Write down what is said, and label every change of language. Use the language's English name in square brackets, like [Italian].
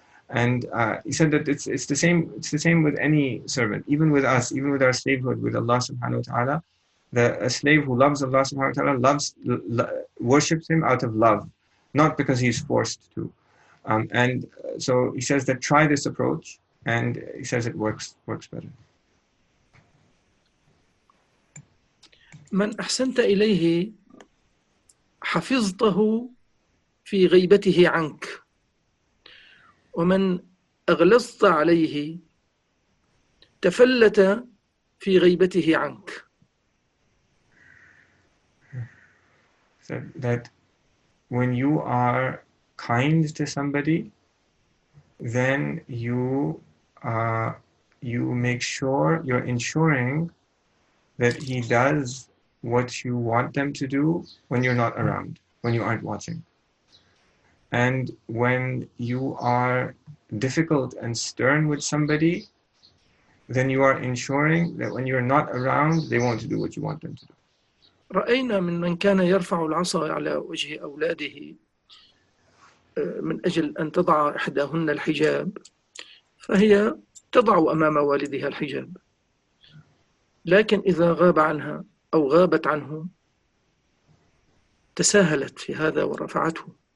[English] And he said that it's the same with any servant, even with us, even with our slavehood, with Allah subhanahu wa ta'ala. A slave who loves Allah subhanahu wa ta'ala worships him out of love, not because he's forced to. And so he says that try this approach, and he says it works better. [Arabic] من أحسنت إليه حفظته في غيبته عنك ومن أغلظت عليه تفلت في غيبته عنك. [English] So that when you are kind to somebody, then you make sure you're ensuring that he does what you want them to do when you're not around, when you aren't watching. And when you are difficult and stern with somebody, then you are ensuring that when you're not around, they won't do what you want them to do. [Arabic] رأينا من من كان يرفع العصا على وجه أولاده من أجل أن تضع إحداهن الحجاب، فهي تضع أمام والدها الحجاب، لكن إذا غاب عنها أو غابت عنه تساهلت في هذا ورفعته.